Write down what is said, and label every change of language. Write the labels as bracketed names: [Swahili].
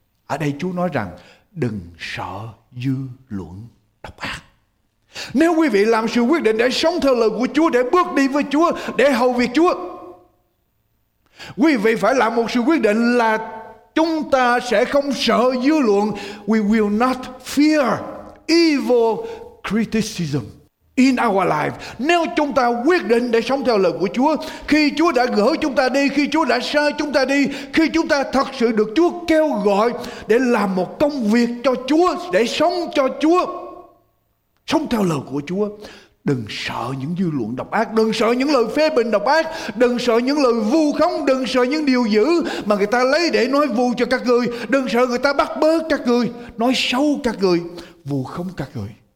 [Vietnamese] Ở đây Chúa nói rằng đừng sợ dư luận độc ác. Nếu quý vị làm sự quyết định để sống theo lời của Chúa, để bước đi với Chúa, để hầu việc Chúa, quý vị phải làm một sự quyết định là chúng ta sẽ không sợ dư luận. [English] We will not fear evil criticism in our life. [Vietnamese] Nếu chúng ta quyết định để sống theo lời của Chúa, khi Chúa đã gỡ chúng ta đi, khi Chúa đã sai chúng ta đi, khi chúng ta thật sự được Chúa kêu gọi để làm một công việc cho Chúa, để sống cho Chúa, sống theo lời của Chúa. Đừng sợ những dư luận độc ác, đừng sợ những lời phê bình độc ác, đừng sợ những lời vu khống, đừng sợ những điều dữ mà người ta lấy để nói vu cho các người, đừng sợ người ta bắt bớ các người, nói xấu các người, vu khống các người.